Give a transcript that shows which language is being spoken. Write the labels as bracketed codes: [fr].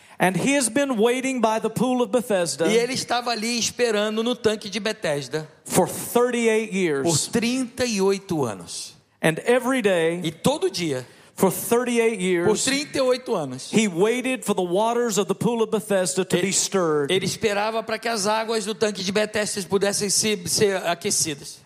[en] And he has been waiting by the pool of Bethesda. [pt] E ele estava ali esperando no tanque de Bethesda. [en] For 38 years. [pt] Por 38 anos. [en] And every day. [pt] E todo dia. [en] For 38 years. [pt] Por 38 anos. [en] He waited for the waters of the pool of Bethesda to be stirred. [pt] Ele esperava para que as águas do tanque de Bethesda pudessem ser aquecidas.